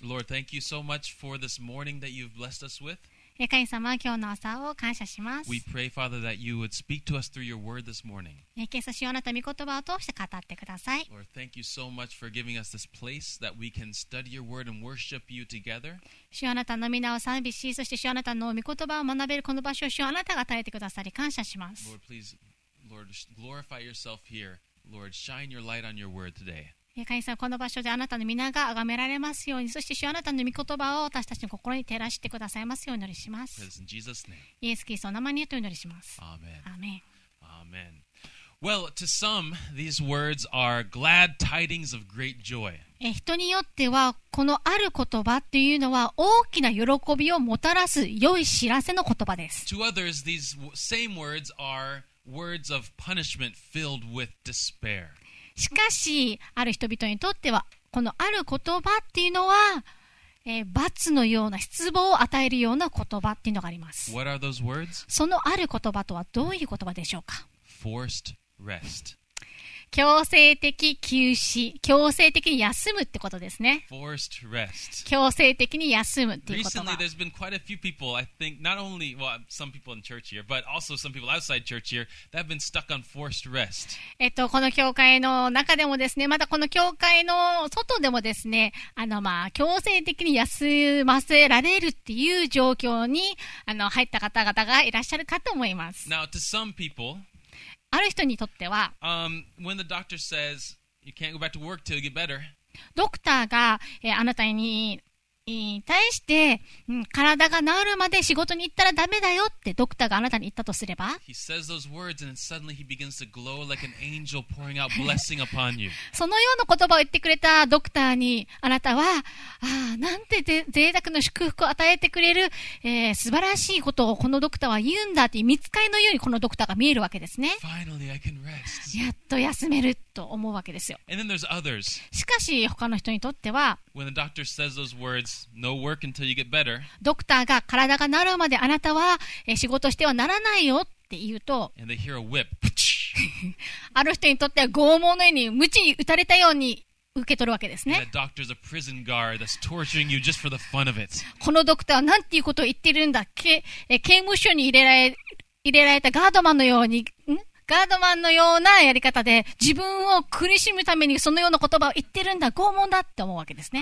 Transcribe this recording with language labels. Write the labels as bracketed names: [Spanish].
[English] Lord, thank you so much for this morning that you've blessed us with. [Japanese] 神様、今日の朝を感謝します。 [English] We pray, Father, that you would speak to us through your word this morning. [Japanese] 今朝、あなた御言葉を通して語ってください。 [English] Lord, thank you so much for giving us this place that we can study your word and worship you together. [Japanese] 主よ、あなたの皆を賛美し、そして主よ、あなたの御言葉を学べるこの場所を主よ、あなたが与えてくださり感謝します。 [English] Lord, please, Lord, glorify yourself here. Lord, shine your light on your word today. [Japanese] 神様、この場所であなたの皆が崇められますように、そして主よ、あなたの御言葉を私たちの心に照らしてくださいますようにお祈りします。イエス・キリストの名前によってお祈りします。アーメン。アーメン。 [English] アーメン。Well, to some, these words are glad tidings of great joy. [Japanese] 人によってはこのある言葉っていうのは大きな喜びをもたらす良い知らせの言葉です。 [English] To others, these same words are words of punishment filled with despair. [Japanese] しかし、ある人々にとっては、このある言葉っていうのは、罰のような、失望を与えるような言葉っていうのがあります。 [English] What are those words? [Japanese] そのある言葉とはどういう言葉でしょうか? [English] Forced rest. [Japanese] 強制的休止、強制的に休むってことですね。 [English] Forced rest. [Japanese] 強制的に休むっていう言葉。 [English] Recently, there's been quite a few people, I think, not only, well, some people in church here, but also some people outside church here, that have been stuck on forced rest. [Japanese] この教会の中でもですね、またこの教会の外でもですね、強制的に休ませられるっていう状況に、入った方々がいらっしゃるかと思います。 [English] Now, to some people, [Japanese] ある人にとっては、 [English] when the doctor says you can't go back to work till you get better, [Japanese] ドクターが、あなたに対して、体が治るまで仕事に行ったらダメだよってドクターがあなたに言ったとすれば、 [English] he says those words and suddenly he begins to glow like an angel pouring out blessing upon you. [Japanese] そのような言葉を言ってくれたドクターにあなたは、なんて贅沢の祝福を与えてくれる、素晴らしいことをこのドクターは言うんだって見つかりのようにこのドクターが見えるわけですね。 [English] Finally, I can rest. [Japanese] やっと休めると思うわけですよ。 [English] And then there's others. [Japanese] しかし他の人にとっては、 [English] when the doctor says those words,No work until you get better. [Japanese] ドクターが体が治るまであなたは仕事してはならないよって言うと、 [English] And they hear a whip. [Japanese] ある人にとっては拷問のように鞭に打たれたように受け取るわけですね。 [English] That doctor's a prison guard that's torturing you just for the fun of it. [Japanese] このドクターはなんていうことを言ってるんだ。刑務所に入れられたガードマンのようにガードマンのようなやり方で自分を苦しむためにそのような言葉を言ってるんだ、拷問だって思うわけですね。